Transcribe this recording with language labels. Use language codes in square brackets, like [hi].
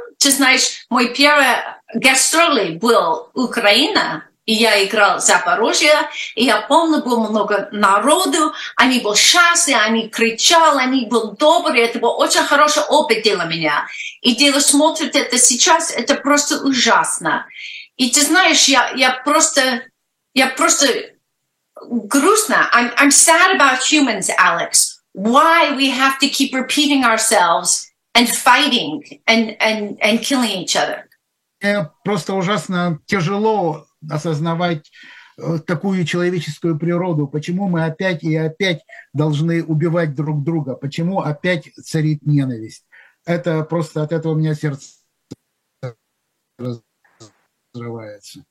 [ru] Ты знаешь, мой первый гастроли был Украина, и я играл в Запорожье, и я помню, было много народу, они были счастливы, они кричали, они были добрые, это был очень хороший опыт для меня. И дело смотрит это сейчас, это просто ужасно. И ты знаешь, я просто грустно. [en] I'm sad about humans, Alex. Why we have to keep repeating ourselves and fighting and killing each other. [ru] Просто ужасно тяжело осознавать такую человеческую природу. Почему мы опять и опять должны убивать друг друга? Почему опять царит ненависть? Это просто от этого у меня сердце разрывается.